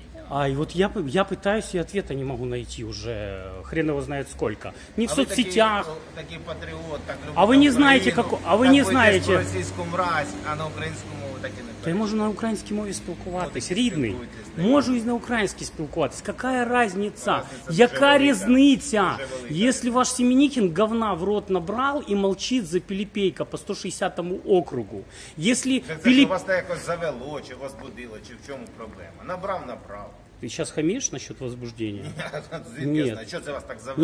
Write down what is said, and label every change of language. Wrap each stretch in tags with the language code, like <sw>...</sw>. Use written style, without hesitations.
<ru>А, и вот я пытаюсь, и ответа не могу найти уже, хрен его знает сколько. Не а в соцсетях.</ru> <uk>Такі патріот, так</uk> <ru>а вы не знаете, как... А вы не знаете...</ru> <uk>Так ходите в російську мразь, а на українську мову так і не знаете. Та я можу на українській мові спілкуватись, рідний. Да. Можу і на українській спілкуватись.</uk> <ru>Какая разница?</ru> <uk>Яка різниця?</uk> <ru>Если ваш Семенихин говна в рот набрал и молчит за Пилипейка по 160-му округу. Если</ru> <uk>так, Пилип... Так, что вас так якось завело, чи вас будило, чи в чому проблема? Набрав.</uk> <ru>Ты сейчас хамишь насчет возбуждения? Нет. Что за вас так завозит?</ru>